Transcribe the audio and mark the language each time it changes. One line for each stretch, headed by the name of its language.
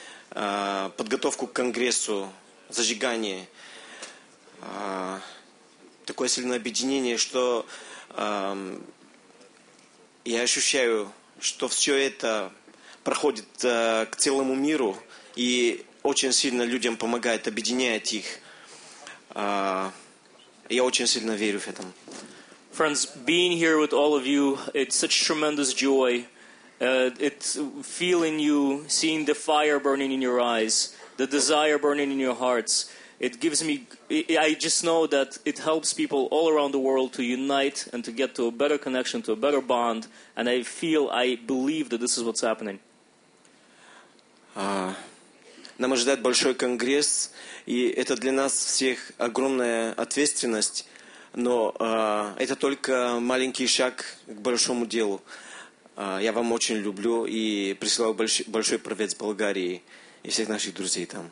Russian: Подготовку к конгрессу, зажигание, такое сильное объединение, что я ощущаю, что все это проходит к целому миру и очень сильно людям помогает, объединяет их. Я очень сильно верю в это.
English: Friends, being here with all of you, it's such tremendous joy. It's feeling you, seeing the fire burning in your eyes, the desire burning in your hearts. It gives me, I just know that it helps people all around the world to unite and to get to a better connection, to a better bond. And I feel, I believe that this is what's happening.
Russian: Нам ожидает большой конгресс, и это для нас всех огромная ответственность, но это только маленький шаг к большому делу. Я вам очень люблю и присылаю большой привет с Болгарии и всех наших друзей там.